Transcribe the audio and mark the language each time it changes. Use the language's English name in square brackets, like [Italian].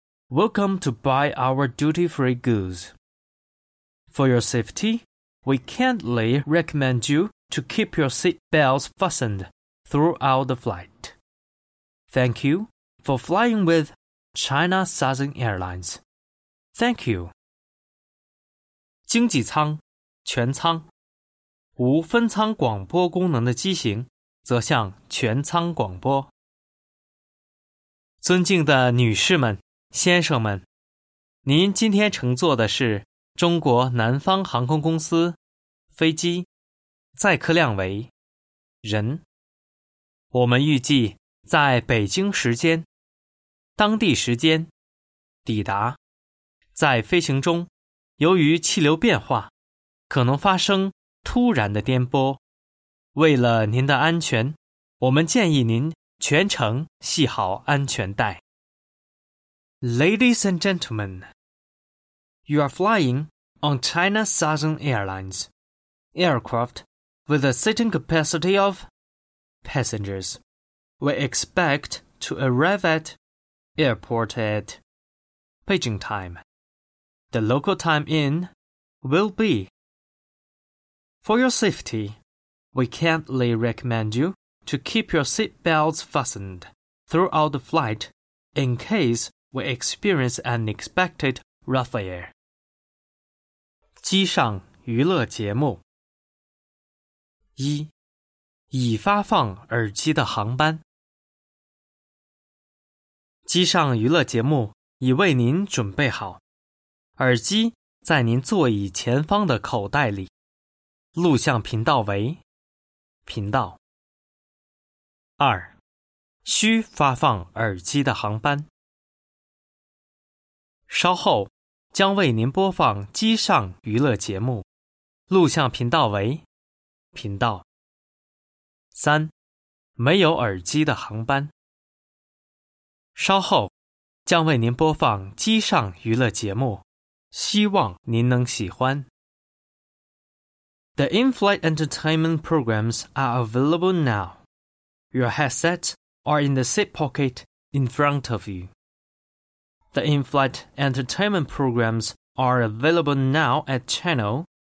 [English] Welcome to buy our duty-free goods. For your safety, we kindly recommend you to keep your seat belts fastened throughout the flight. Thank you for flying with China Southern Airlines. Thank you. [Chinese] 经济舱、全舱，无分舱广播功能的机型则向全舱广播。尊敬的女士们、先生们，您今天乘坐的是中国南方航空公司飞机，载客量为人。我们预计在北京时间当地时间抵达。在飞行中，由于气流变化，可能发生突然的颠簸。为了您的安全，我们建议您全程系好安全带。 [English] Ladies and gentlemen, you are flying on China Southern Airlines aircraft with a seating capacity of passengers. We expect to arrive at airport at Beijing time. The local time in will be. For your safety, we kindly recommend you to keep your seat belts fastened throughout the flight in case we experience unexpected rough air. [Chinese] 机上娱乐节目。一，已发放耳机的航班。机上娱乐节目已为您准备好。耳机在您座椅前方的口袋里。录像频道为频道。二，需发放耳机的航班。稍后将为您播放机上娱乐节目。录像频道为频道。三，没有耳机的航班。稍后将为您播放机上娱乐节目，希望您能喜欢。 [English] The in-flight entertainment programs are available now. Your headsets are in the seat pocket in front of you. The in-flight entertainment programs are available now at channel.